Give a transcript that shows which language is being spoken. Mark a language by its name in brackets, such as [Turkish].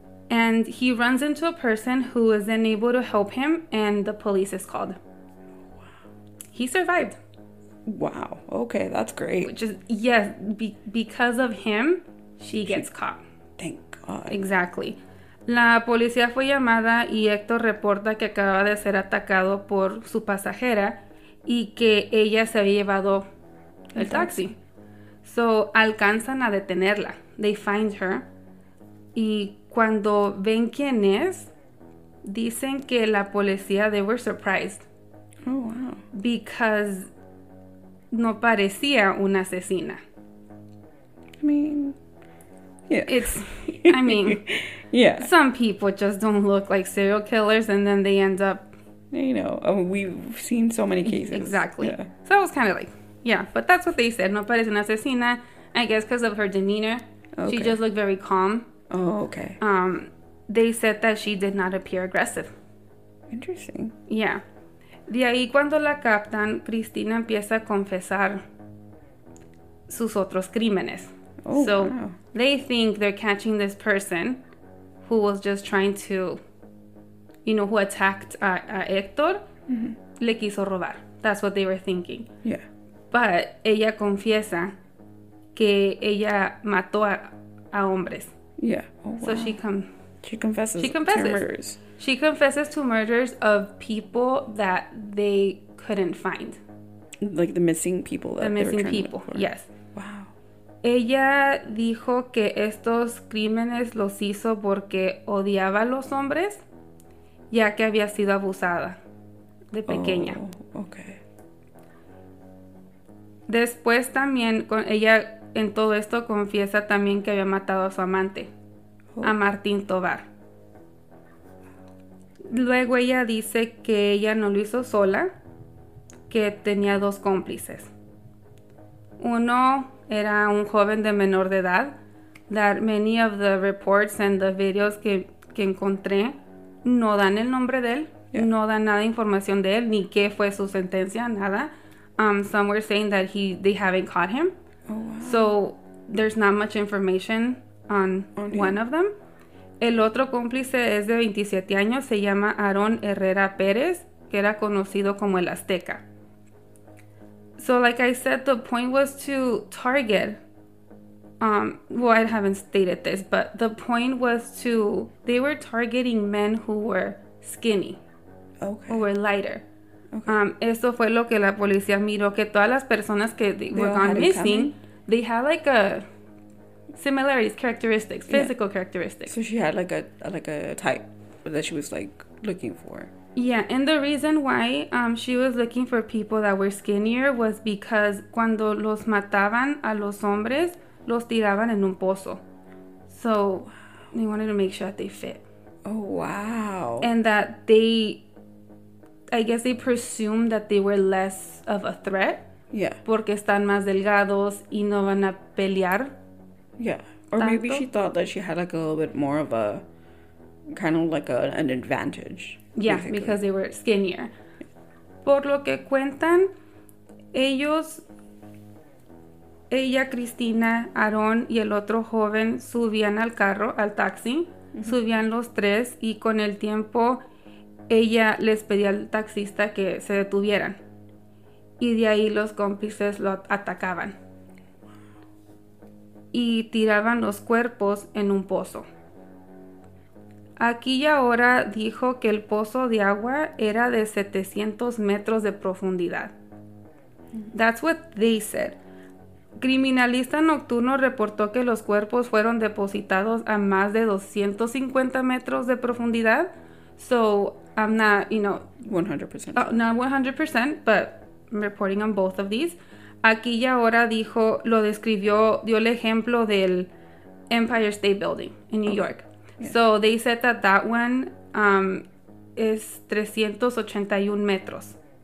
[English] And he runs into a person who is unable to help him, and the police is called. Wow. He survived. Wow. Okay, that's great. Which is, yes, because of him, she gets caught. Thank God. Exactly. [Spanish] La policía fue llamada y Héctor reporta que acaba de ser atacado por su pasajera y que ella se había llevado el taxi. [English] So, [Spanish] alcanzan a detenerla. [English] They find her. [Spanish] Y cuando ven quién es, dicen que la policía, [English] they were surprised. Oh, wow. [Spanish] Because no parecía una asesina. [English] I mean, yeah. It's, I mean, yeah. Some people just don't look like serial killers and then they end up. You know, I mean, we've seen so many cases. Exactly. Yeah. So it was kind of like, yeah, but that's what they said. [Spanish] No parece una asesina. [English] I guess because of her demeanor. Okay. She just looked very calm. Oh, okay. They said that she did not appear aggressive. Interesting. Yeah. [Spanish] De ahí cuando la captan, Cristina empieza a confesar sus otros crímenes. [English] Oh, so wow. They think they're catching this person who was just trying to, you know, who attacked a Héctor, [Spanish] le quiso robar. [English] That's what they were thinking. Yeah. [Spanish] But ella confiesa que ella mató a hombres. [English] Yeah. Oh, wow. So She confesses. She confesses to murders of people that they couldn't find. Like the missing people. The missing people, yes. Wow. [Spanish] Ella dijo que estos crímenes los hizo porque odiaba a los hombres, ya que había sido abusada de pequeña. [English] Oh, okay. [Spanish] Después también, ella en todo esto confiesa también que había matado a su amante, a Martín Tovar. Luego ella dice que ella no lo hizo sola, que tenía dos cómplices. Uno era un joven de menor de edad, [English] that many of the reports and the videos [Spanish] que encontré no dan el nombre de él, no dan nada de información de él, ni qué fue su sentencia, nada. [English] Some were saying that they haven't caught him. Oh, wow. So there's not much information on one of them. [Spanish] El otro cómplice es de 27 años, se llama Aaron Herrera Pérez, que era conocido como el Azteca. [English] So like I said, the point was to target, well, I haven't stated this, but the point was to, they were targeting men who were skinny, okay, who were lighter. Okay. [Spanish] Eso fue lo que la policía miró, que todas las personas que [English] were gone missing, they had like a similarities, characteristics, physical characteristics. So she had like a type that she was like looking for. Yeah, and the reason why she was looking for people that were skinnier was because [Spanish] cuando los mataban a los hombres, los tiraban en un pozo. [English] So they wanted to make sure that they fit. Oh, wow. And that they, I guess they presumed that they were less of a threat. Yeah. [Spanish] Porque están más delgados y no van a pelear. [English] Yeah. Or [Spanish] tanto. [English] Maybe she thought that she had like a little bit more of a, kind of like an advantage. Yeah, basically. Because they were skinnier. [Spanish] Por lo que cuentan, ella, Cristina, Aaron y el otro joven subían al carro, al taxi. Mm-hmm. Subían los tres y con el tiempo, ella les pedía al taxista que se detuvieran. Y de ahí los cómplices lo atacaban. Y tiraban los cuerpos en un pozo. Aquí y ahora dijo que el pozo de agua era de 700 metros de profundidad. [English] That's what they said. [Spanish] Criminalista nocturno reportó que los cuerpos fueron depositados a más de 250 metros de profundidad. [English] So, I'm not, you know... 100%. Not 100%, but I'm reporting on both of these. [Spanish] Aquí y ahora dijo, lo describió, dio el ejemplo del Empire State Building [English] in New York. So, they said that that one [Spanish] es 381 metros.